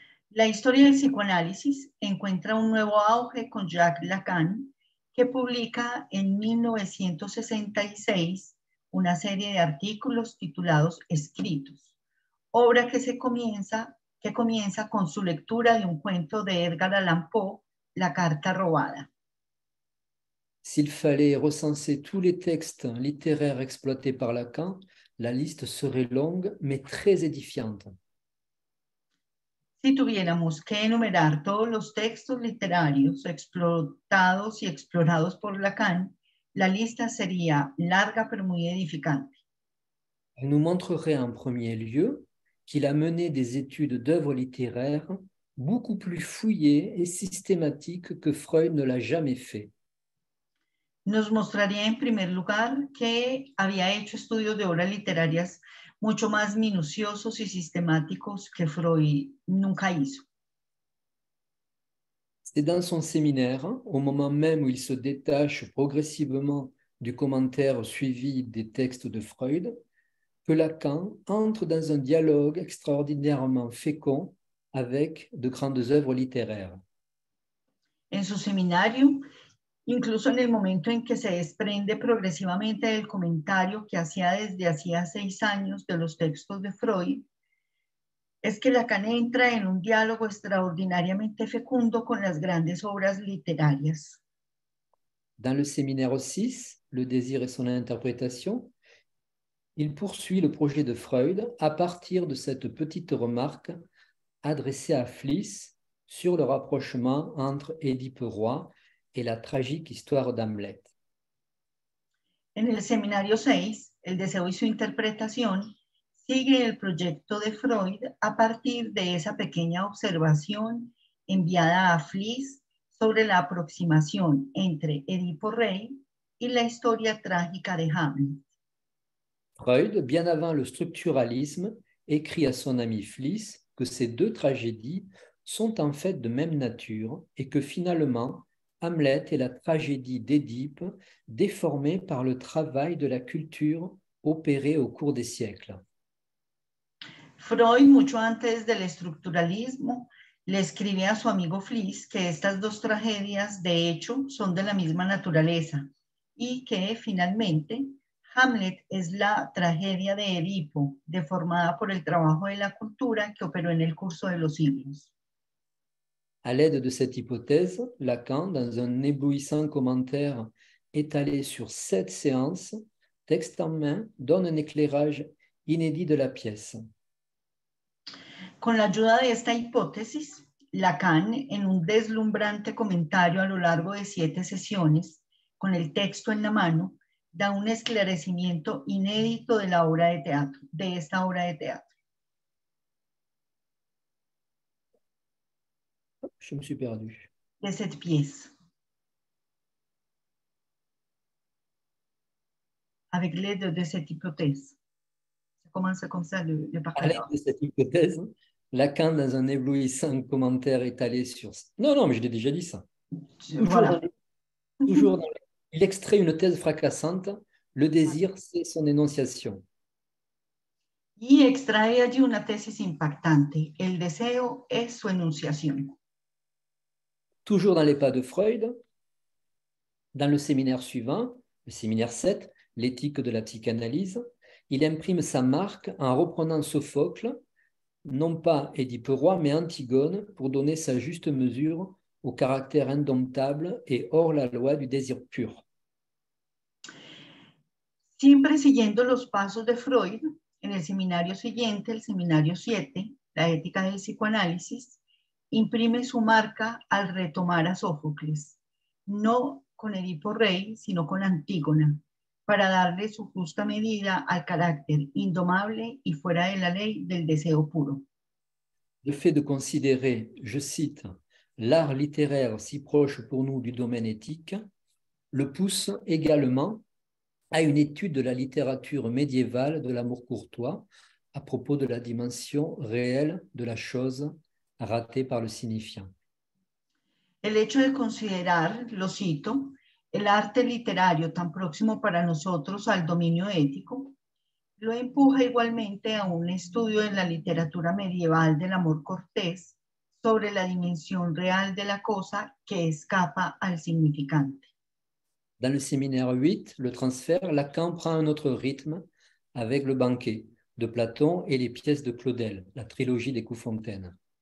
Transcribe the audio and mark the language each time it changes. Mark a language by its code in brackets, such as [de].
[es] La historia del psicoanálisis encuentra un nuevo auge con Jacques Lacan, que publica en 1966 una serie de artículos titulados Escritos, obra que comienza con su lectura de un cuento de Edgar Allan Poe, La carta robada. [fr] S'il fallait recenser tous les textes littéraires exploités par Lacan, la liste serait longue mais très édifiante. [es] Si tuviéramos que enumerar todos los textos literarios explotados y explorados por Lacan, la lista sería larga pero muy edificante. [fr] Elle nous montrerait en premier lieu qu'il a mené des études d'œuvres littéraires beaucoup plus fouillées et systématiques que Freud ne l'a jamais fait. [es] Nos mostraría en primer lugar que había hecho estudios de obras literarias mucho más minuciosos y sistemáticos que Freud nunca hizo. [fr] C'est dans son séminaire, au moment même où il se détache progressivement du commentaire suivi des textes de Freud, que Lacan entre dans un dialogue extraordinairement fécond avec de grandes œuvres littéraires. [es] En su seminario, incluso en el momento en que se desprende progresivamente del comentario que hacía desde hacía seis años de los textos de Freud, es que Lacan entra en un diálogo extraordinariamente fecundo con las grandes obras literarias. [fr] Dans le séminaire 6, Le désir et son interprétation, il poursuit le projet de Freud à partir de cette petite remarque adressée à Fliess sur le rapprochement entre Édipe Roy et la tragique histoire d'Hamlet. [es] En el seminario 6, El deseo y su interpretación, sigue el proyecto de Freud a partir de esa pequeña observación enviada a Fliess sobre la aproximación entre Édipe Roy y la historia trágica de Hamlet. [fr] Freud, bien avant le structuralisme, écrit à son ami Fliess que ces deux tragédies sont en fait de même nature et que finalement, Hamlet est la tragédie d'Édipe déformée par le travail de la culture opéré au cours des siècles. [es] Freud, mucho antes del estructuralismo, le escribe a su amigo Fliess que estas dos tragedias, de hecho, son de la misma naturaleza y que, finalmente, Hamlet es la tragedia de Edipo, deformada por el trabajo de la cultura que operó en el curso de los siglos. [fr] À l'aide de cette hypothèse, Lacan, dans un éblouissant commentaire étalé sur 7 séances, texte en main, donne un éclairage inédit de la pièce. [es] Con la ayuda de esta hipótesis, Lacan, en un deslumbrante comentario a lo largo de 7 sesiones, con el texto en la mano, da un esclarecimiento inédito de la obra de teatro, de esta obra de teatro. [fr] Je me suis perdu. De cette pièce. Avec l'aide de cette hypothèse. Ça commence comme ça, le parcours. À l'aide de cette hypothèse, Lacan, dans un éblouissant commentaire étalé sur... Non, mais je l'ai déjà dit ça. Il extrait une thèse fracassante, le désir, c'est son énonciation. [es] Y extrae allí una tesis impactante, el deseo es su enunciación. [fr] Toujours dans les pas de Freud, dans le séminaire suivant, le séminaire 7, l'éthique de la psychanalyse, il imprime sa marque en reprenant Sophocle, non pas Édipe Roy, mais Antigone, pour donner sa juste mesure au caractère indomptable et hors la loi du désir pur. [es] Siempre siguiendo los pasos de Freud, en el seminario siguiente, el seminario 7, la ética del psicoanálisis, imprime su marca al retomar a Sófocles, no con Edipo Rey, sino con Antígona, para darle su justa medida al carácter indomable y fuera de la ley del deseo puro. [fr] Le fait de considérer, je cite, l'art littéraire si proche pour nous du domaine éthique, le pousse également à une étude de la littérature médiévale de l'amour courtois à propos de la dimension réelle de la chose ratée par le signifiant. [es] El hecho de considerar, lo cito, el arte literario tan próximo para nosotros al dominio ético, lo empuja igualmente a un estudio en la literatura medieval del amor cortés sobre la dimensión real de la cosa que escapa al significante. [fr] Dans le séminaire 8, le transfert, Lacan prend un autre rythme avec Le banquet de Platon et les pièces de Claudel, la trilogie des coups fontaines.